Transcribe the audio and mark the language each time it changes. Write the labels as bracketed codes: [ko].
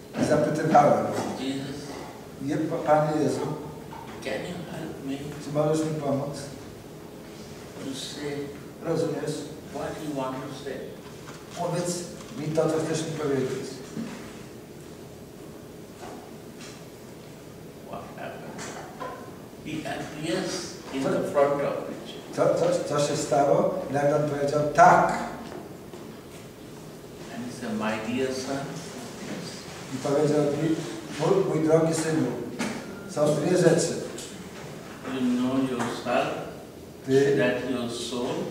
[pl] I zapytywałem. [en] Jesus. [pl] Panie Jezu. [en] Can you help me? [pl] Czy możesz mi pomóc? [en] To say. [pl] Rozumiesz. [en] What you want to say. [pl] Powiedz mi to, co chcesz mi powiedzieć. [en] What happened? He appears in the front of me. [pl] Co się stało? Nagle on powiedział tak. [en] And he said, my dear son, yes. [pl] I powiedział mi, mój drogi synu, są dwie rzeczy. [en] You know yourself, [pl] ty [en] that your soul.